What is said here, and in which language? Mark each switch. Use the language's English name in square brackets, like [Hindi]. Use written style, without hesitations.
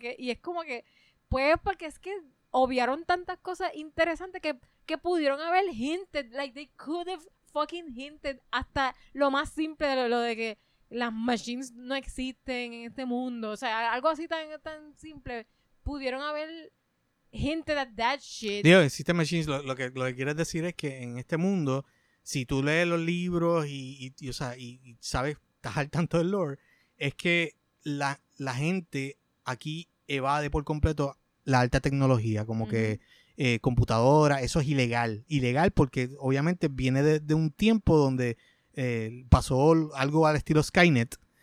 [Spanish] Y es como que, pues porque es que obviaron tantas cosas interesantes que pudieron haber [English] hinted, like they could have fucking hinted [Spanish] hasta lo más simple de lo de que las machines no existen en este mundo. O sea, algo así tan simple. Pudieron haber [English] hinted at that shit. [Spanish] Digo, existen machines. Lo que quieres decir es que en este mundo, si tú lees los libros y sabes, estás al tanto del lore, es que la gente aquí evade por completo la alta tecnología, como que computadora, eso es ilegal porque obviamente viene de un tiempo donde pasó algo al estilo Skynet,